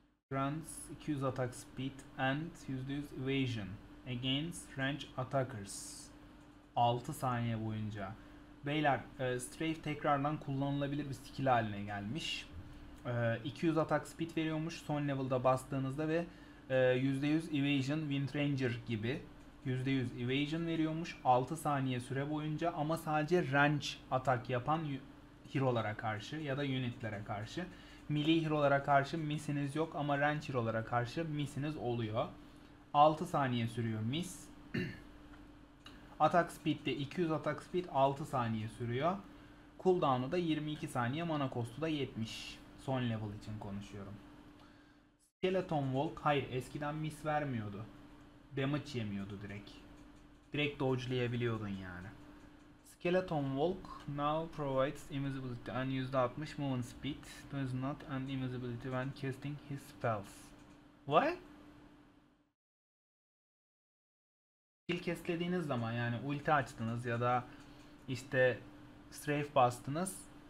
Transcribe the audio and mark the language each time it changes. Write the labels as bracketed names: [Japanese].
[English] Grants 200 attack speed and %100 evasion against range attackers. [Turkish] 6 saniye boyunca. Beyler, Strafe tekrardan kullanılabilir bir skill haline gelmiş. 200 attack speed veriyormuş son level'da bastığınızda ve %100 evasion Wind Ranger gibi %100 evasion veriyormuş 6 saniye süre boyunca ama sadece range atak yapan hero'lara karşı ya da unitlere karşı. Melee hero'lara karşı miss'iniz yok ama range hero'lara karşı miss'iniz oluyor. 6 saniye sürüyor miss. Attack speed de 200 attack speed 6 saniye sürüyor. Cooldown'u da 22 saniye, mana kostu da 70. Son level için konuşuyorum. Skeleton Walk, hayır eskiden miss vermiyordu. Damage yemiyordu direkt. Direkt dodge'layabiliyordun yani. [English] Skeleton Walk now provides invisibility and %60 movement speed. Does not and invisibility when casting his spells. What? [Turkish] Skill castlediğiniz zaman yani ulti açtınız ya da işte strafe bastınız.